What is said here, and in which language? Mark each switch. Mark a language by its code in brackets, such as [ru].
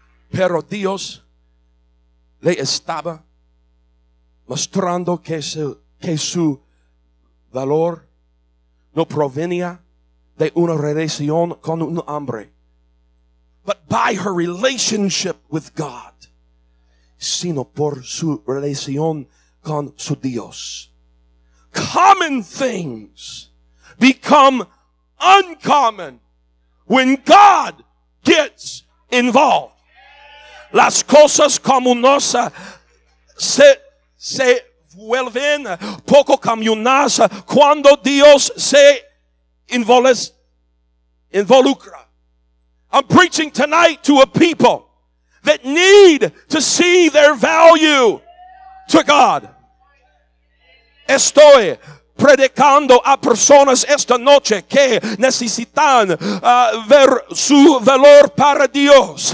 [es] Pero Dios le estaba mostrando que su valor no provenía de una relación con un hombre, [en] but by her relationship with God, [es] sino por su relación con su Dios. [en] Common things become uncommon when God gets involved. [es] Las cosas comunes se vuelven poco comunes cuando Dios se involucra. [en] I'm preaching tonight to a people that need to see their value to God. [es] Estoy predicando a personas esta noche que necesitan ver su valor para Dios.